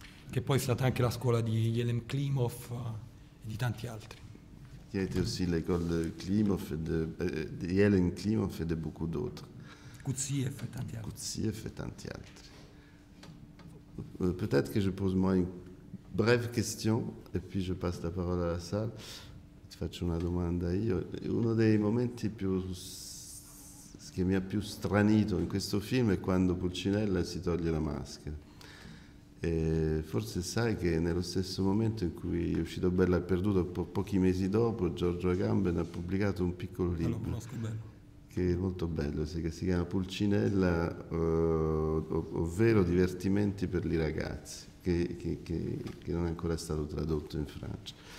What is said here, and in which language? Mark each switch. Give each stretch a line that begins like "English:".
Italian: Che poi è stata anche la scuola di Jelen Klimov e di tanti altri.
French: Qui a été aussi l'école de Klimov et de Jelen Klimov et de beaucoup d'autres. Koutsiev
Italian: et tanti altri.
French: Peut-être que je pose moi une brève question et puis je passe la parole à la salle.
Italian: Ti faccio una domanda io. Uno dei momenti che mi ha più stranito in questo film è quando Pulcinella si toglie la maschera. E forse sai che nello stesso momento in cui è uscito Bella e Perduta, pochi mesi dopo, Giorgio Agamben ha pubblicato un piccolo libro che è molto bello, che si chiama Pulcinella, ovvero Divertimenti per i ragazzi, che non è ancora stato tradotto in Francia.